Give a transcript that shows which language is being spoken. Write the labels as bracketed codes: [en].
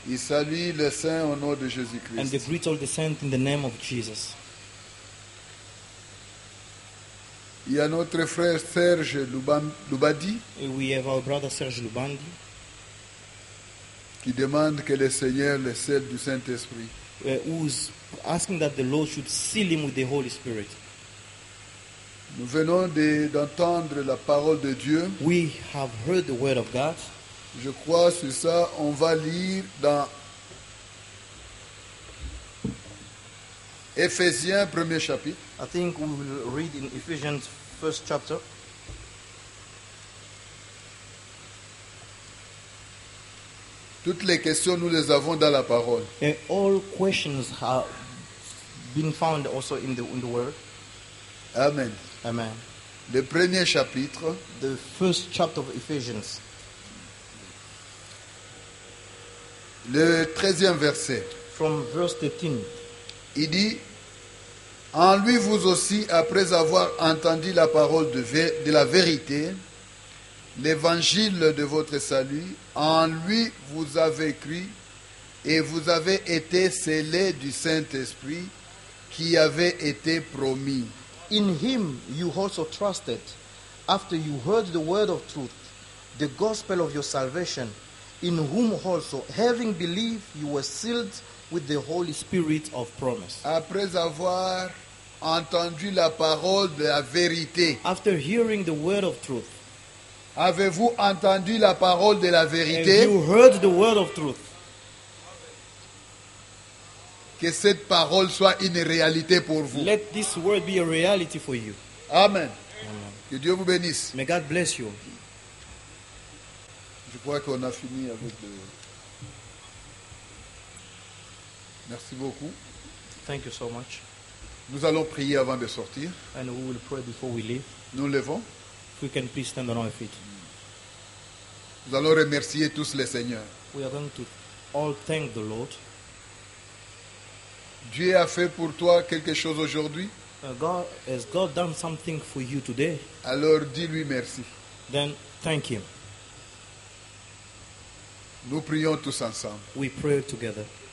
[fr] Ils saluent les saints au nom de Jésus-Christ. [en] And they greet all the saints in the name of Jesus. [fr] Il y a notre frère Serge Lubadi. [en] We have our brother Serge Lubadi. [fr] Qui demande que le Seigneur le scelle du Saint-Esprit. [en] Who's asking that the Lord should seal him with the Holy Spirit. [fr] Nous venons d'entendre la parole de Dieu. [en] We have heard the word of God. [fr] Je crois sur ça, on va lire dans Ephésiens, premier chapitre. [en] I think we will read in Ephesians, first chapter. [fr] Toutes les questions, nous les avons dans la parole. [en] And all questions have been found also in the word. Amen. Amen. [fr] Le premier chapitre, [en] the first chapter of Ephesians, [fr] le 13e verset, [en] from verse 13, [fr] il dit, en lui vous aussi, après avoir entendu la parole de la vérité, l'évangile de votre salut. En lui, vous avez cru et vous avez été scellés du Saint-Esprit qui avait été promis. [en] In him you also trusted, after you heard the word of truth, the gospel of your salvation, in whom also, having believed, you were sealed with the Holy Spirit of promise. [fr] Après avoir entendu la parole de la vérité, [en] after hearing the word of truth, [fr] avez-vous entendu la parole de la vérité? [en] Have you heard the word of truth? [fr] Que cette parole soit une réalité pour vous. [en] Let this word be a reality for you. [fr] Amen. Que Dieu vous bénisse. [en] May God bless you. [fr] Je crois qu'on a fini avec le... Merci beaucoup. [en] Thank you so much. [fr] Nous allons prier avant de sortir. [en] And we will pray before we leave. [fr] Nous levons. [en] If we can please stand on our feet. [fr] Nous allons remercier tous les seigneurs. [en] We are going to all thank the Lord. [fr] Dieu a fait pour toi quelque chose aujourd'hui. [en] Has God done something for you today? [fr] Alors dis-lui merci. [en] Then thank him. [fr] Nous prions tous ensemble. [en] We pray together.